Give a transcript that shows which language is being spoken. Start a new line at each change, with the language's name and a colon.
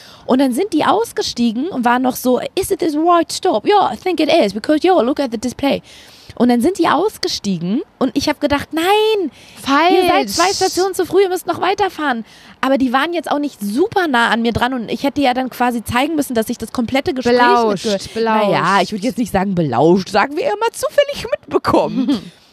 German: Und dann sind die ausgestiegen und waren noch so,
English: is it this right stop? Yeah, I think it is, because, yo, look at the display.
German: Und dann sind die ausgestiegen und ich habe gedacht, nein, falsch. Ihr seid zwei Stationen zu früh, ihr müsst noch weiterfahren. Aber die waren jetzt auch nicht super nah an mir dran und ich hätte ja dann quasi zeigen müssen, dass ich das komplette Gespräch belauscht. Naja, ich würde jetzt nicht sagen belauscht, sagen wir immer zufällig mitbekommen.